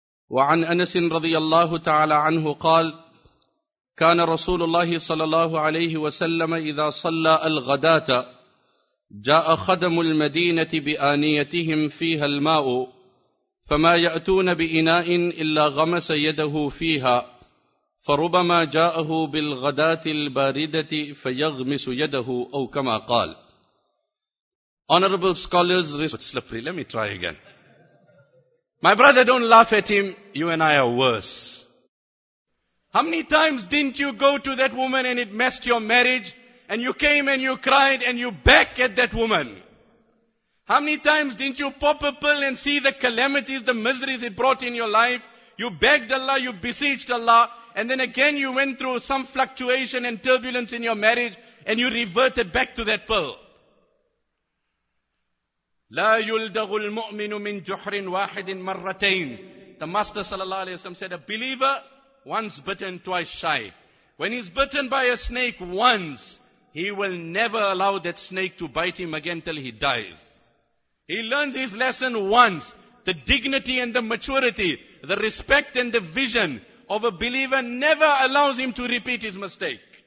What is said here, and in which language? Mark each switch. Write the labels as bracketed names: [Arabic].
[Arabic] وعن أنس رضي الله تعالى عنه قال: كان رسول الله صلى الله عليه وسلم إذا صلى الغداة جاء خدم المدينة بآنيتهم فيها الماء، فما يأتون بإناء إلا غمس يده فيها، فربما جاءه بالغداة الباردة فيغمس يده، أو كما قال. [English] Honorable scholars, slippery. Let me try again. My brother, don't laugh at him. You and I are worse. How many times didn't you go to that woman and it messed your marriage, and you came and you cried and you back at that woman? How many times didn't you pop a pill and see the calamities, the miseries it brought in your life? You begged Allah, you beseeched Allah, and then again you went through some fluctuation and turbulence in your marriage and you reverted back to that pill. [Arabic] لا يلدغ المؤمن من جحر واحد مرتين. [English] The Master sallallahu alayhi wa sallam said, a believer, once bitten, twice shy. When he's bitten by a snake once, he will never allow that snake to bite him again till he dies. He learns his lesson once. The dignity and the maturity, the respect and the vision of a believer never allows him to repeat his mistake.